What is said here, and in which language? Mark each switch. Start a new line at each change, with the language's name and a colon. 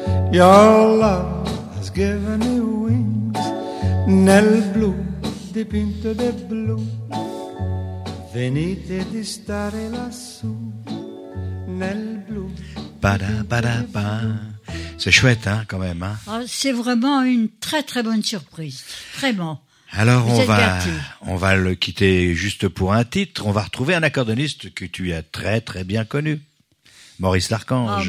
English: Your love has given me wings.
Italian: Nel blu dipinto di blu, venite di stare lassù. Nel blu. Ba-da-ba-da-ba.
French: C'est chouette, hein, quand même. Hein? Oh, c'est vraiment une très très bonne surprise. Vraiment. Alors on va le quitter juste pour un titre. On va retrouver un accordoniste que tu as très très bien connu. Maurice l'Archange.